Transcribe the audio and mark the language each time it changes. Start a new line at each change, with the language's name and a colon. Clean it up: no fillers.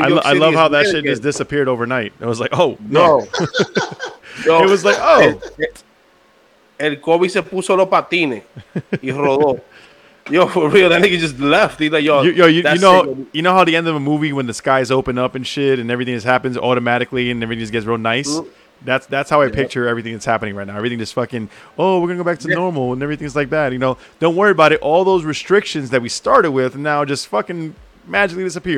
English: I love how that shit just disappeared overnight. It was like, oh, no. No. It was like, oh.
Spanish: El COVID se puso los patines y rodó.
English: Yo, for real, that nigga just left. He's like, yo, you know how the end of a movie when the skies open up and shit and everything just happens automatically and everything just gets real nice? That's how I picture everything that's happening right now. Everything just fucking, oh, we're going to go back to normal and everything's like that. You know, don't worry about it. All those restrictions that we started with now just fucking magically disappear.